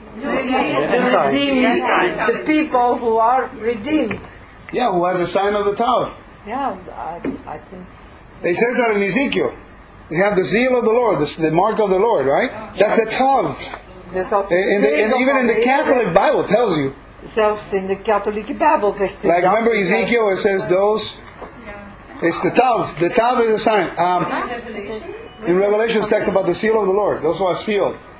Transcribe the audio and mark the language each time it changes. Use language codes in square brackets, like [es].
[en] The redeemed, the people who are redeemed. Yeah, who has the sign of the Tav. Yeah, I think. It says that in Ezekiel. They have the zeal of the Lord, the mark of the Lord, right? Yeah. That's the Tav. And even in the Catholic Bible tells you. [nl] Zelfs in de katholieke Bijbel zegt het. [en] Like remember Ezekiel, it says those. It's the Tav. The Tav is a sign. In Revelation it talks about the seal of the Lord. Those who are sealed.